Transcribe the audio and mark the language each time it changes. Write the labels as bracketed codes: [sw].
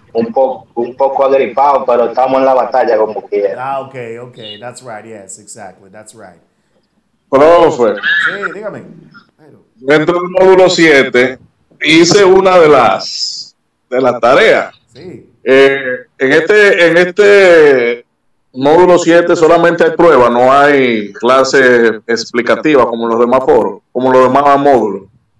[es] un poco agripado, pero estamos en la batalla como quiera. [en] Ah, okay, that's right, yes, exactly, that's right. [es] Pero fue. Sí, dígame. Dentro del módulo 7 hice una de las tareas. Sí. En este módulo 7 solamente hay pruebas, no hay clases explicativas como en los demás foros, como los demás módulos.